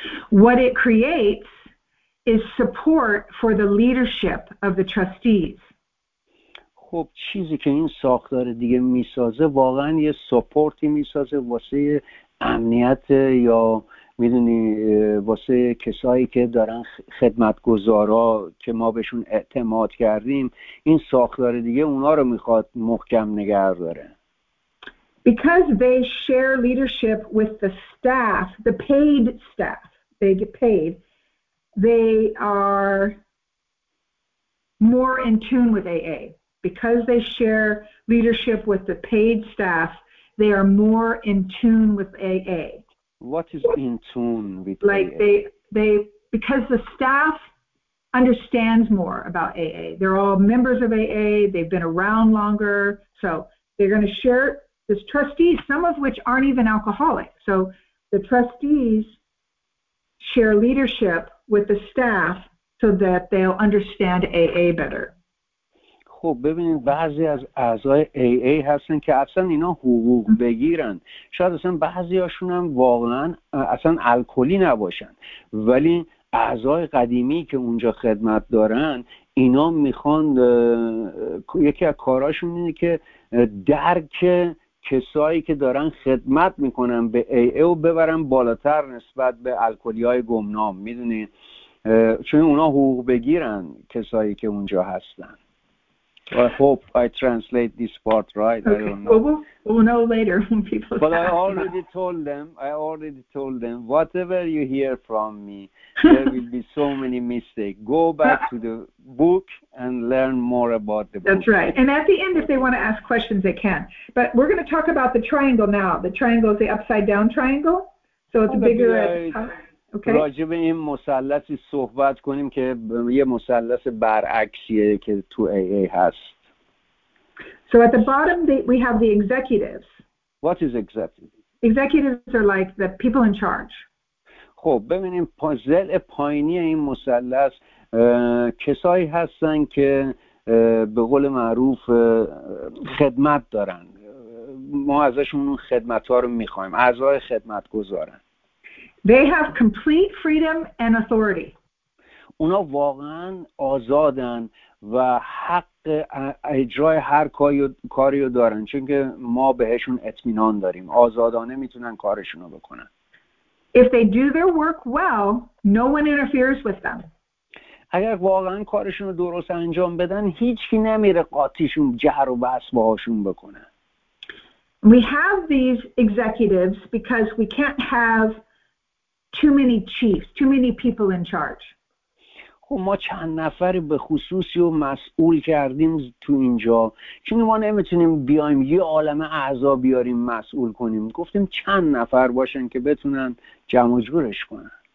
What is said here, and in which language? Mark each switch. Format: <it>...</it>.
<en>What it creates is support for the leadership of the trustees.</en> <fa>خب چیزی که این ساختار دیگه میسازه واقعا یه سپورتی میسازه واسه امنیت یا میدونی واسه کسایی که دارن خدمتگزارا که ما بهشون اعتماد کردیم، این ساختار دیگه اونا رو میخواد محکم نگه داره.</fa> <en>Because they share leadership with the staff, the paid staff, they get paid, they are more in tune with AA. Because they share leadership with the paid staff, they are more in tune with AA. What is in tune with AA? Like they because the staff understands more about AA. They're all members of AA. They've been around longer. So they're going to share this trustees, some of which aren't even alcoholic. So the trustees share leadership with the staff so that they'll understand AA better.</en> <fa>خب ببینید بعضی از اعضای AA هستن که اصلا اینا حقوق بگیرن، شاید اصلا بعضی هاشون هم واقعا اصلا الکلی نباشن، ولی اعضای قدیمی که اونجا خدمت دارن اینا میخوان، یکی از کاراشون اینه که درک کسایی که دارن خدمت میکنن به AA و ببرن بالاتر نسبت به الکلی های گمنام، میدونید چون اونا حقوق بگیرن کسایی که اونجا هستن.</fa> <en>I hope I translate this part right. Okay. I don't know. We'll know later when people But I already about. Told them, whatever you hear from me, there will be so many mistakes. Go back to the book and learn more about the That's book. That's right. And at the end, if they want to ask questions, they can. But we're going to talk about the triangle now. The triangle is the upside down triangle. So it's bigger at the top. Okay.</en> <fa>راجع به این مثلثی صحبت کنیم که یه مثلث برعکسیه که تو AA هست.</fa> <en>So at the bottom we have the executives. What is executive? Executives are like the people in charge.</en> <fa>خب ببینیم ضلع پایینی این مثلث کسایی هستن که به قول معروف خدمت دارن. ما ازشون خدمت‌ها رو می‌خوایم. اعضای خدمت‌گزارن.</fa> <en>They have complete freedom and authority.</en> <fa>اونا واقعاً آزادن و حق اجرای هر کاریو دارن، چون که ما بهشون اطمینان داریم، آزادانه میتونن کارشونو بکنن.</fa> <en>If they do their work well, no one interferes with them.</en> <fa>اگر واقعاً کارشونو درست انجام بدن، هیچکی نمیره قاطیشون جر و بس باهاشون بکنه.</fa> <en>We have these executives because we can't have too many chiefs, too many people in charge.</en> <fa>خب ما چند نفر به خصوصی رو مسئول کردیم تو اینجا، چون ما نمیتونیم بیایم یه عالمه اعضا بیاریم مسئول کنیم، گفتیم چند نفر باشن که بتونن جمع جورش کنن.</fa>